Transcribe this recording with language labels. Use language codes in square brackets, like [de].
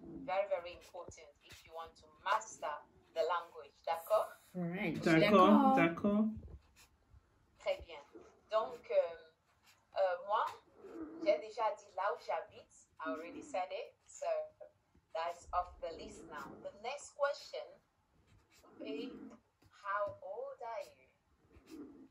[en] Very, very important if you want to master the language. [fr] D'accord? [en] Right. [fr] D'accord. Très bien. Donc, moi, j'ai déjà dit là où j'habite. [en] I already said it. So that's off the list now. The next question would be, how old are you?